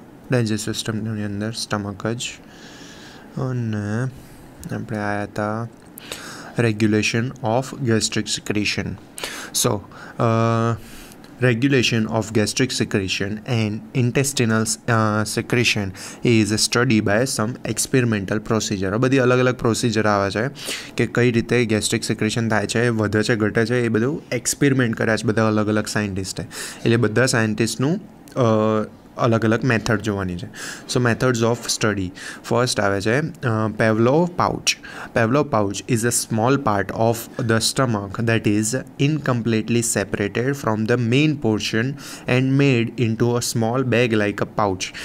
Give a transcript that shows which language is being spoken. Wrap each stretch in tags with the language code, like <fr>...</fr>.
<gu>Digestive સિસ્ટમની અંદર stomach જ અને આપણે આવ્યા હતા regulation of gastric secretion.</gu> <en>So regulation of gastric secretion and intestinal secretion is a study by some experimental procedure.</en> <gu>આ બધી અલગ અલગ પ્રોસિજર આવે છે કે કઈ રીતે ગેસ્ટ્રિક સિક્રેશન થાય છે, વધે છે, ઘટે છે, એ બધું એક્સપેરિમેન્ટ કર્યા છે બધા અલગ અલગ સાયન્ટિસ્ટે. એટલે બધા સાયન્ટિસ્ટનું અલગ અલગ મેથડ જોવાની છે.</gu> <en>so methods of study, first</en> <gu>આવે છે</gu> <en>Pavlov pouch is a small part of the stomach that is incompletely separated from the main portion and made in to a small bag like a pouch.</en>